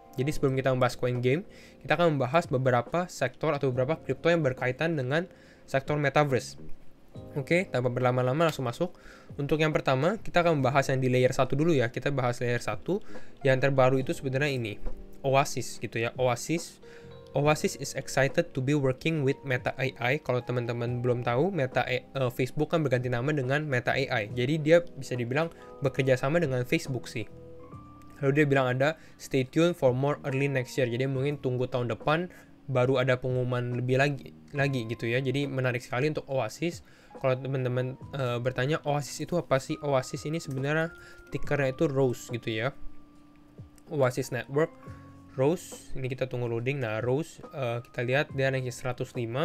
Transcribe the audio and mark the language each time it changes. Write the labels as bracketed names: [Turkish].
[Indonesian] Jadi sebelum kita membahas coin game, kita akan membahas beberapa sektor atau beberapa crypto yang berkaitan dengan sektor metaverse. Oke, tanpa berlama-lama langsung masuk. Untuk yang pertama, kita akan membahas yang di layer 1 dulu ya. Kita bahas layer 1. Yang terbaru itu sebenarnya ini Oasis gitu ya. [English] Oasis is excited to be working with Meta AI. [Indonesian] Kalau teman-teman belum tahu, Facebook kan berganti nama dengan Meta AI. Jadi dia bisa dibilang bekerja sama dengan Facebook sih. Lalu dia bilang ada [English] stay tuned for more early next year. [Indonesian] Jadi mungkin tunggu tahun depan baru ada pengumuman lebih lagi gitu ya. Jadi menarik sekali untuk Oasis. Kalau teman-teman bertanya Oasis itu apa sih? Oasis ini sebenarnya tickernya itu ROSE gitu ya. Oasis Network. ROSE, ini kita tunggu loading. Nah, ROSE, kita lihat dia naiknya 105.